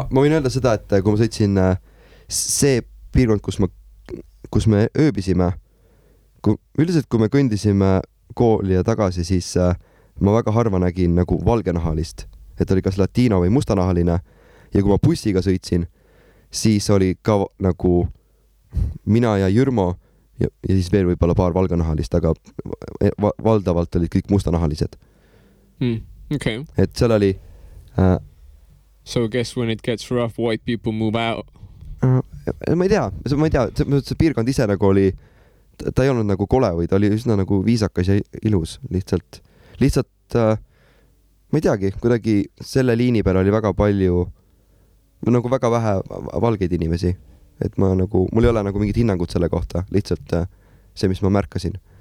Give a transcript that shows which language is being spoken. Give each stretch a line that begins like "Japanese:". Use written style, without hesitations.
Estonian: Ma võin öelda seda, et kui ma sõitsin see piirkond, kus me ööbisime, üldiselt kui me kõndisime kooli ja tagasi, siis ma väga harva nägin nagu valgenahalist, et oli kas latiino või mustanahaline ja kui ma bussiga sõitsin, siis oli ka nagu mina ja Jürmo ja siis veel võib-olla paar valgenahalist, aga valdavalt olid kõik mustanahalised. Hmm. Okay. Et seal oli...
English: So I guess when it gets rough, white people move out.
Estonian: Ma ei tea. See piirkond ise nagu oli... Ta ei olnud nagu kole või ta oli üsna nagu viisakas ja ilus. Lihtsalt... ma ei teagi, kuidagi selle liini peal oli väga palju... Nagu väga vähe valgeid inimesi. Et ma nagu... Mul ei ole nagu mingit hinnangut selle kohta. Lihtsalt see, mis ma märkasin.